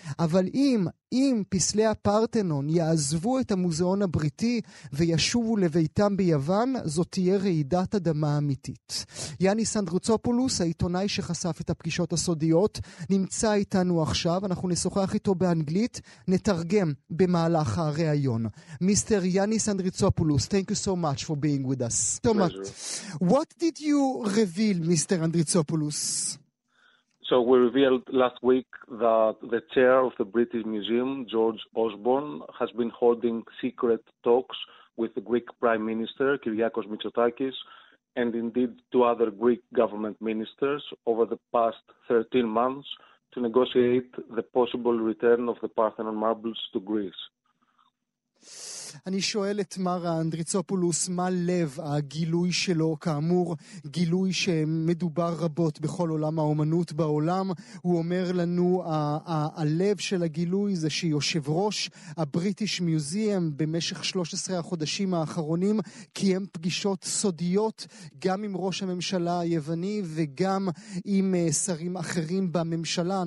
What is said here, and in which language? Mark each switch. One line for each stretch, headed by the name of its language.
Hebrew: אבל אם פסלי הפרטנון יעזבו את המוזיאון הבריטי וישובו לביתם ביוון, זאת תהיה רעידת אדמה אמיתית. יאניס אנדריצופולוס, העיתונאי שחשף את הפגישות הסודיות, נמצא איתנו עכשיו, אנחנו נשוחח איתו באנגלית, נתרגם במהלך הראיון.
English: מיסטר יאניס אנדריצופולוס, thank you so much for being with us. So much. What did you reveal, Mr. Andritsopoulos? So we revealed last week that the chair of the British Museum, George Osborne, has been holding secret talks with the Greek Prime Minister, Kyriakos Mitsotakis, and indeed two other Greek government ministers over the past 13 months to negotiate the possible return of the Parthenon marbles to Greece.
Hebrew: אני שואל את מר אנדריצופולוס, מה לב הגילוי שלו, כאמור גילוי שמדובר רבות בכל עולם האומנות בעולם, הוא אומר לנו הלב של הגילוי זה שיושב ראש הבריטיש מיוזיאם במשך 13 החודשים האחרונים קיים פגישות סודיות גם עם ראש הממשלה היווני וגם עם שרים אחרים בממשלה.